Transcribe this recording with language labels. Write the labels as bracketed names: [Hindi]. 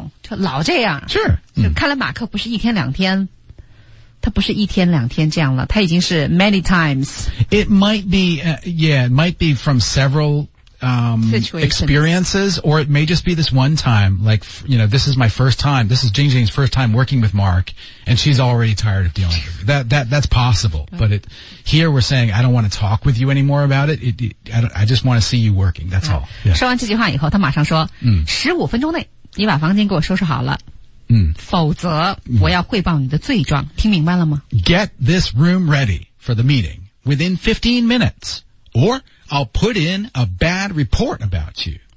[Chinese] 对对对。就打交道都打烦了,这种,就老这样。看来马克不是一天两天。他不是一天两天这样了,他已经是 [English] many times. It might be, yeah, it might be from several experiences, or it may just be this one time, like, you know, this is my first time, this is Jing Jing's first time working with Mark, and she's already tired of dealing with me. That's possible, but it, here we're saying, I don't want to talk with you anymore about it, I just want to see you working, that's all. Yeah. [Chinese] 说完这句话以后,他马上说, 15分钟内,你把房间给我收拾好了,否则我要汇报你的罪状, 听明白了吗? [English] Get this room ready for the meeting within 15 minutes, or I'll put in a bad report about you.